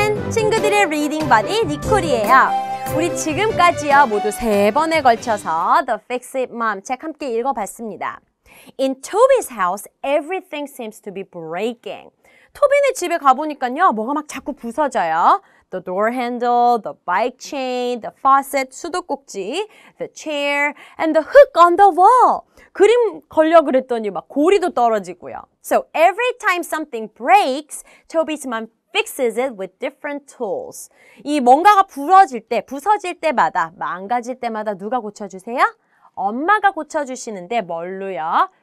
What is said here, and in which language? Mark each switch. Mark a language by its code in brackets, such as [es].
[ko] 친구들의 리딩 바디 니콜이에요. 우리 지금까지요 모두 세 번에 걸쳐서 The Fix It Mom 책 함께 읽어봤습니다. [en] In Toby's house, everything seems to be breaking. [ko] 토비네 집에 가보니까요, 뭐가 막 자꾸 부서져요. [en] The door handle, the bike chain, the faucet, 수도꼭지, the chair, and the hook on the wall. [ko] 그림 걸려 그랬더니 막 고리도 떨어지고요. [en] So every time something breaks, Toby's mom fixes it with different tools. [ko] 이 뭔가가 부러질 때, 부서질 때마다, 망가질 때마다 누가 고쳐주세요? 엄마가 고쳐주시는데 뭘로요?